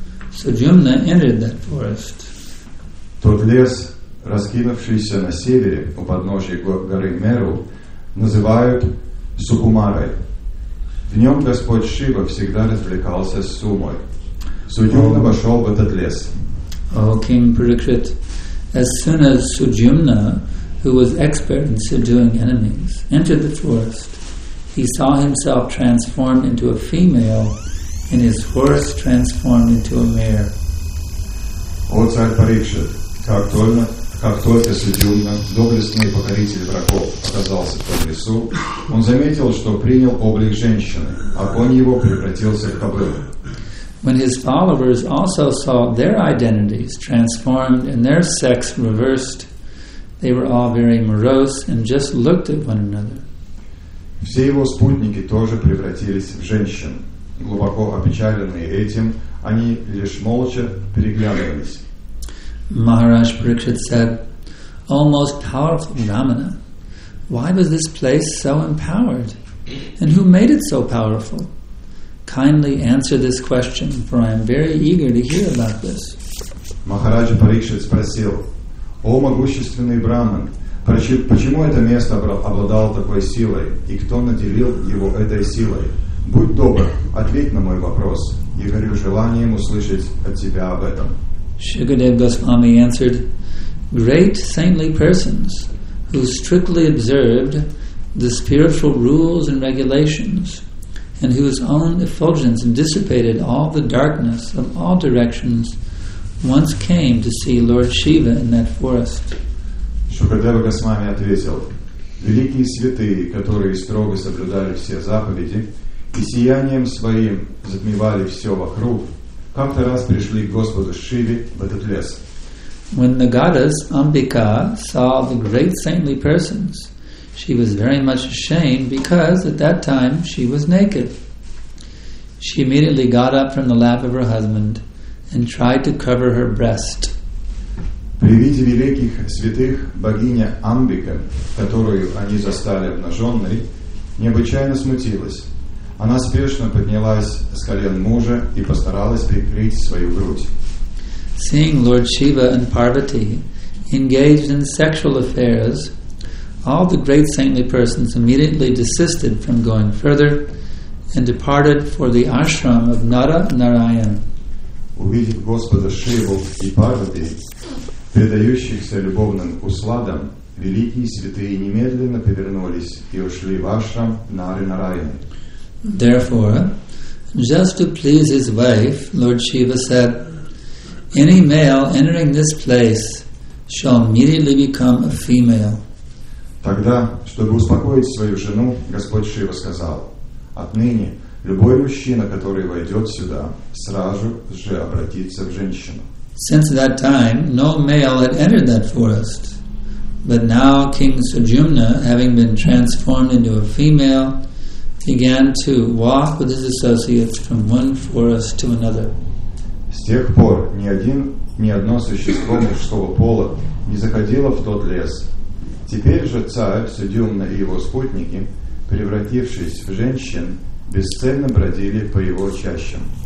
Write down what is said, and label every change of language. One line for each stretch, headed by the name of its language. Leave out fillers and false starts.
English: Sujumna entered that forest.
Russian: Тот лес, раскинувшийся на севере у подножия горы Меру, называют Сукумарой. В нем Господь Шива всегда развлекался с Умой. Судюмна вошел в этот лес.
English: О, King Parikshit, as soon as Sujumna, who was expert in subduing enemies, entered the forest, he saw himself transformed into a female and his horse transformed into a mare.
Russian: О, царь Парикшит, как только Судюмна, доблестный покоритель врагов, оказался в том лесу, он заметил, что принял облик женщины, а конь его превратился в кобылу.
English: When his followers also saw their identities transformed and their sex reversed, they were all very morose and just looked at one another.
Russian: Все его спутники тоже превратились в женщин. Глубоко опечаленные этим, они лишь молча переглядывались.
English: Maharaj Parikshit said, O most powerful Brahmana, why was this place so empowered? And who made it so powerful? Kindly answer this question, for I am very eager to hear about this.
Russian: Maharaj Parikshit спросил, О могущественный Браман, почему это место обладало такой силой, и кто наделил его этой силой? Будь добр, ответь на мой вопрос. Я горю желанием услышать от тебя об этом.
English: Shukadeva Goswami answered, Great saintly persons who strictly observed the spiritual rules and regulations and whose own effulgence dissipated all the darkness of all directions once came to see Lord Shiva in that forest.
Russian: Shukadeva Goswami ответил, Великие святые, которые строго соблюдали все заповеди и сиянием своим затмевали все вокруг, как-то раз пришли к Господу Шиве в этот лес.
English: When the goddess Ambika saw the great saintly persons, she was very much ashamed because at that time she was naked. She immediately got up from the lap of her husband and tried to cover her breast.
Russian: При виде великих святых богиня Амбика, которую они застали обнаженной, необычайно смутилась. Она спешно поднялась с колен мужа и постаралась прикрыть свою грудь.
English: Seeing Lord Shiva and Parvati engaged in sexual affairs, all the great saintly persons immediately desisted from going further and departed for the ashram of Nara Narayan.
Russian: Увидев Господа Шиву и Парвати, предающихся любовным усладам, великие святые немедленно повернулись и ушли в ашрам Нары Нараяны.
English: Therefore, just to please his wife, Lord Shiva said, Any male entering this place shall immediately become a female.
Russian: Тогда, чтобы успокоить свою жену, Господь Шива сказал, Отныне, любой мужчина, который войдет сюда, сразу же обратится в женщину.
English: Since that time, no male had entered that forest. But now King Sujumna, having been transformed into a female, began to walk with his associates from one forest to another.
Russian: С тех пор ни одно существо мужского пола не заходило в тот лес. Теперь же царь Судюмна и его спутники, превратившись в женщин, бесцельно бродили по его чащам.